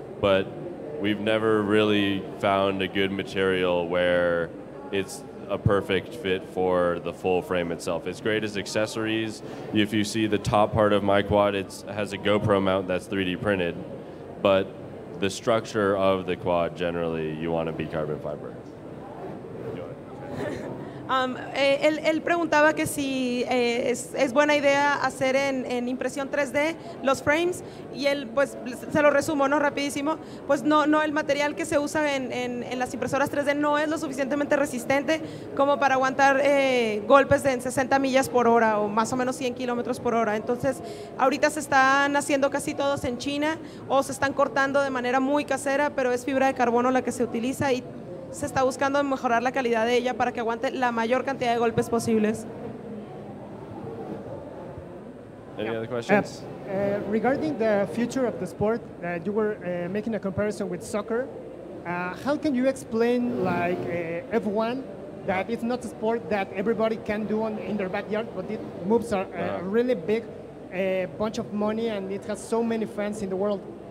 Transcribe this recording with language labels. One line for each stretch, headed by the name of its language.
English: But we've never really found a good material where it's a perfect fit for the full frame itself. It's great as accessories. If you see the top part of my quad, it has a GoPro mount that's 3D printed, but the structure of the quad, generally, you want to be carbon fiber.
Spanish: Él preguntaba que si es buena idea hacer en impresión 3D los frames, y él, pues se lo resumo, ¿no?, rapidísimo, pues no el material que se usa en las impresoras 3D no es lo suficientemente resistente como para aguantar golpes de 60 millas por hora o más o menos 100 kilómetros por hora. Entonces ahorita se están haciendo casi todos en China, o se están cortando de manera muy casera, pero es fibra de carbono la que se utiliza, y se está buscando mejorar la calidad de ella para que aguante la mayor cantidad de golpes posibles.
English: Any other questions? Regarding the future of the sport, you were making a comparison with soccer. How can you explain, like, F1, that it's not a sport that everybody can do in their backyard, but it moves a really big bunch of money and it has so many fans in the world?